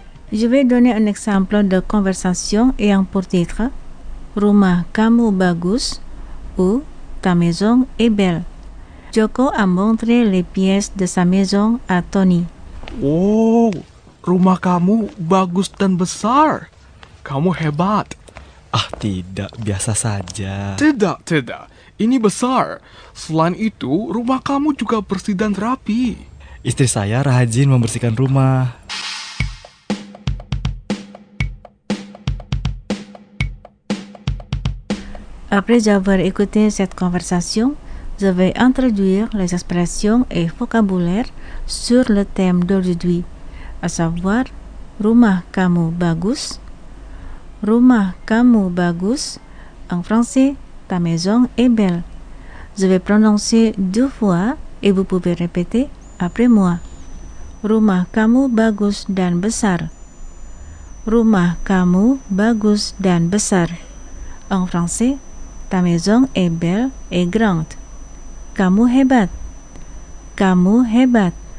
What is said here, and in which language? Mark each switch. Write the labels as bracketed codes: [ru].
[fr] Je vais donner un exemple de conversation ayant pour titre [id] Rumah kamu bagus [fr] ou ta maison est belle. Joko a montré les pièces de sa maison à Tony. [id] Oh, rumah kamu bagus dan besar. Kamu hebat. Ah, tidak, biasa saja. Tidak, tidak. Ini besar. Selain itu, rumah kamu juga bersih dan rapi. Istri saya rajin membersihkan rumah. [fr] Après avoir écouté cette conversation, je vais introduire les expressions et vocabulaire sur le thème d'aujourd'hui, à savoir [id] rumah kamu bagus. Rumah kamu bagus. [fr] En français, ta maison est belle. Je vais prononcer deux fois et vous pouvez répéter après moi. [id] Rumah kamu bagus dan besar. Rumah kamu bagus dan besar. [fr] En français, ta maison est belle et grande. [id] Kamu hebat. Kamu hebat.